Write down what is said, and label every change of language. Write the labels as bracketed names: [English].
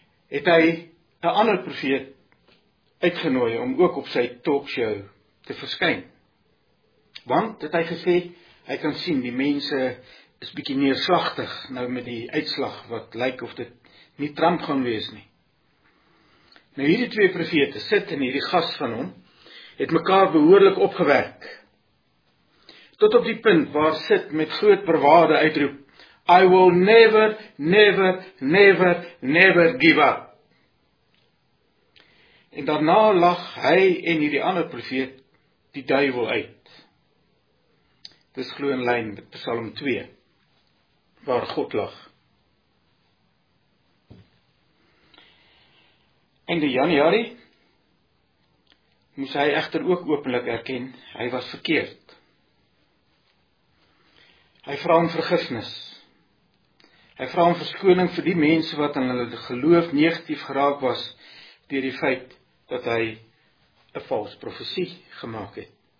[Afrikaans] het hy 'n ander profeet uitgenooi om ook op sy talkshow te verskyn. Want, het hy gesê, hy kan sien, die mense is bietjie neerslagtig, nou met die uitslag, wat lyk of dit nie Trump gaan wees nie. Nou hierdie twee profete sit in hierdie gas van hom, het mekaar behoorlik opgewerk, tot op die punt waar sit met groot bravade uitroep, [English] I will never, never, never, never give up. [Afrikaans] En daarna lag hy en hierdie ander profeet die duivel uit. Dis glo in lyn met Psalm 2, waar God lag. In die Januarie moes hy egter ook openlik erken, hy was verkeerd. Hy vra om vergifnis. Hy vra om verskoning vir die mense wat aan hulle geloof negatief geraak was deur die feit dat hy 'n valse profesie gemaak het.